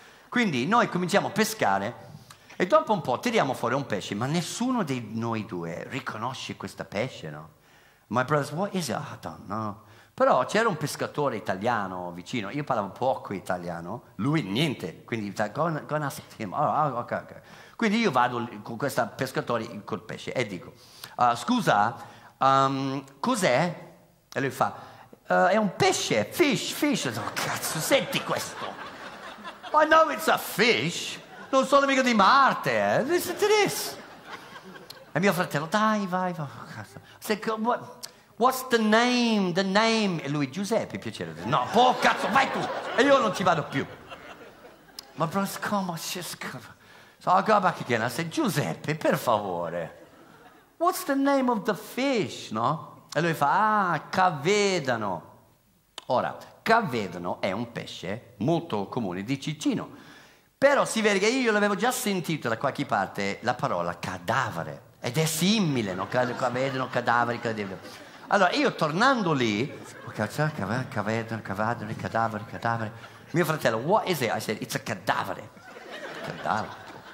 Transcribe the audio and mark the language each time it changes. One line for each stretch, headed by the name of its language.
Italian: Quindi noi cominciamo a pescare e dopo un po' tiriamo fuori un pesce, ma nessuno di noi due riconosce questo pesce, no?
English: My brothers, what is it? I don't know.
Italian: Però c'era un pescatore italiano vicino, io parlavo poco italiano, lui niente, quindi
English: go and ask him. Oh, okay, okay.
Italian: Quindi io vado con questo pescatore col pesce e dico, scusa, cos'è? E lui fa, è un pesce, fish. E dico, cazzo, senti questo.
English: I know it's a fish,
Italian: non sono amico di Marte, eh.
English: Listen to this.
Italian: E mio fratello, dai, vai. Oh, cazzo.
English: I said, what's the name?
Italian: E lui, Giuseppe, piacere. No, oh, cazzo, vai tu. E io non ci vado più.
English: My brother's come, so I go back again, I said, Giuseppe,
Italian: per favore,
English: what's the name of the fish, no?
Italian: E lui fa, ah, cavedano. Ora, cavedano è un pesce molto comune di Ticino, però si vede che io l'avevo già sentito da qualche parte la parola cadavere, ed è simile, no? Cavedano, cadavere, cadavere. Allora, io tornando lì, cavedano, cadavere, mio fratello,
English: what is it? I said, it's a cadavere.
Italian: Cadavere.